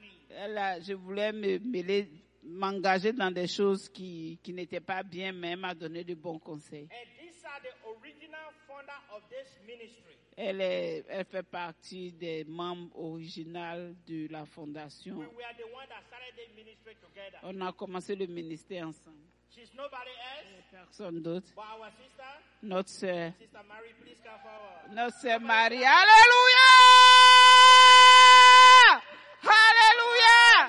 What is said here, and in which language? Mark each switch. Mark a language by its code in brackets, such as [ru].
[fr] Elle a, je voulais me mêler, m'engager dans des choses qui n'étaient pas bien, mais elle m'a donné de bons conseils. [en] And these are the original founder of this ministry. [fr] Elle fait partie des membres originaux de la fondation. [en] We are the one that started the ministry together. [fr] On a commencé le ministère ensemble. [en] She's nobody else. [fr] Personne d'autre. [en] But our sister. [fr] Notre sœur. [en] Sister Mary, please come forward. [fr] Notre sœur Marie. Alléluia! Alléluia!